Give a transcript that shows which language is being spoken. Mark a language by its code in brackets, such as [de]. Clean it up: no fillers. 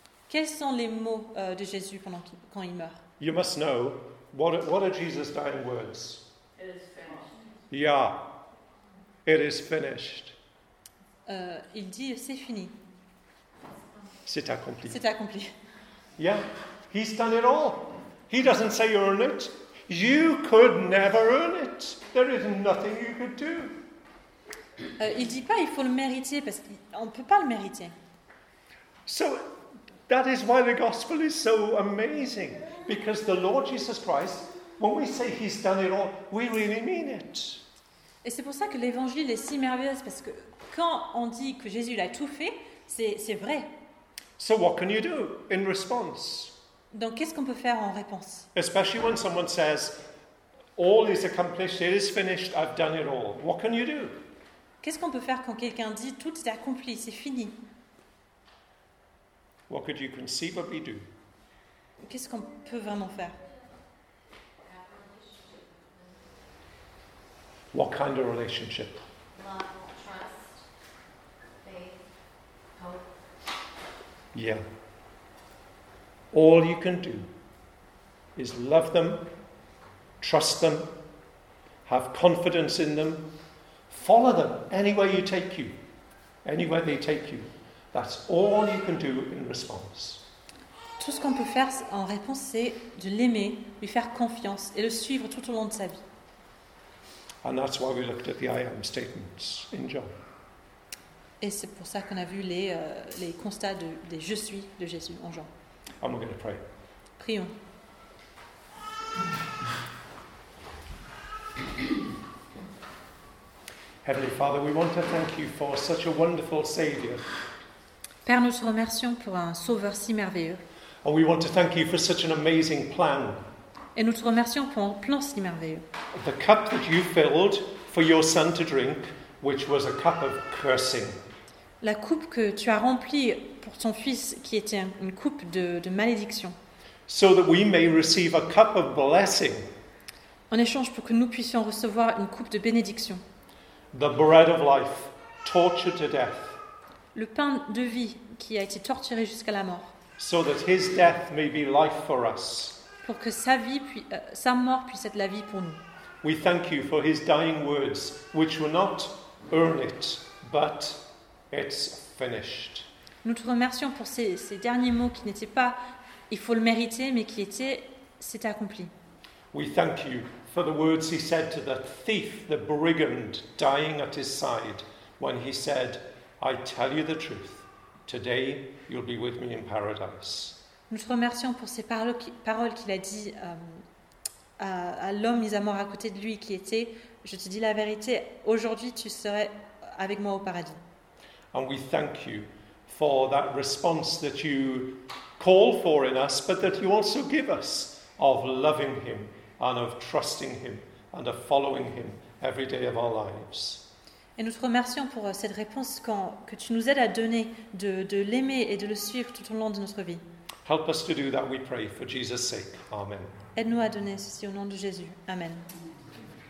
[fr] Quels sont les mots de Jésus quand il meurt? [en] You must know, what are Jesus' dying words? It is finished. Yeah, it is finished. [fr] Il dit, c'est fini. C'est accompli. C'est accompli. [en] Yeah, he's done it all. He doesn't say you're in it. You could never earn it. There is nothing you could do. [fr] Il dit pas il faut le mériter parce qu'on peut pas le mériter. [en] So that is why the gospel is so amazing, because the Lord Jesus Christ, when we say he's done it all, we really mean it. [fr] Et c'est pour ça que l'évangile est si merveilleux, parce que quand on dit que Jésus l'a tout fait, c'est vrai. [en] So what can you do in response? [fr] Donc qu'est-ce qu'on peut faire en réponse? [en] Especially when someone says all is accomplished, it is finished, I've done it all. What can you do? [fr] Qu'est-ce qu'on peut faire quand quelqu'un dit tout est accompli, c'est fini? [en] What could you conceivably do? [fr] Qu'est-ce qu'on peut vraiment faire? [en] What kind of relationship? Love, trust, faith, hope. Yeah. All you can do is love them, trust them, have confidence in them, follow them anywhere you take you, anywhere they take you. That's all you can do in response. [fr] Tout ce qu'on peut faire en réponse, c'est de l'aimer, lui faire confiance et le suivre tout au long de sa vie. [en] And that's why we looked at the I am statements in John. [fr] Et c'est pour ça qu'on a vu les constats des je suis de Jésus en Jean. [en] And we're going to pray. [fr] Prions. [en] Heavenly Father, we want to thank you for such a wonderful Savior. [fr] Père, nous te remercions pour un Sauveur si merveilleux. [en] And we want to thank you for such an amazing plan. [fr] Et nous te remercions pour un plan si merveilleux. [en] The cup that you filled for your son to drink, which was a cup of cursing. [fr] La coupe que tu as remplie pour ton fils, qui était une coupe de malédiction. [en] So that we may receive a cup of blessing. [fr] En échange pour que nous puissions recevoir une coupe de bénédiction. [en] The bread of life, tortured to death. [fr] Le pain de vie qui a été torturé jusqu'à la mort. [en] So that his death may be life for us. [fr] Pour que sa mort puisse être la vie pour nous. [en] We thank you for his dying words, which were not earn it, but it's finished. [fr] Nous te remercions pour ces derniers mots qui n'étaient pas il faut le mériter, mais qui étaient c'est accompli. [en] We thank you for the words he said to the thief, the brigand, dying at his side, when he said, I tell you the truth, today you'll be with me in paradise. [fr] Nous te remercions pour ces paroles qu'il a dit à l'homme mis à mort à côté de lui qui était, je te dis la vérité, aujourd'hui tu serais avec moi au paradis. [en] And we thank you for that response that you call for in us, but that you also give us of loving him and of trusting him and of following him every day of our lives. [fr] Et nous te remercions pour cette réponse que tu nous aides à donner de l'aimer et de le suivre tout au long de notre vie. [en] Help us to do that, we pray, for Jesus' sake. Amen. [fr] Aide-nous à donner ceci au nom de Jésus. Amen.